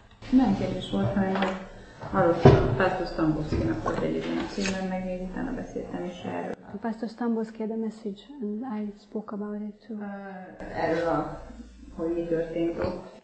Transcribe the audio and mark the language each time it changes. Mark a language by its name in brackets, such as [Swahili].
[Hungarian] Nem kérdés volt, hanem hallottam. Pásztor Stambulszkinak volt egy ilyen címben, meg én utána beszéltem is erről. [English] Pásztor Stambulszki had a message, and I spoke about it too. [Hungarian] Erről, hogy mi történt ott.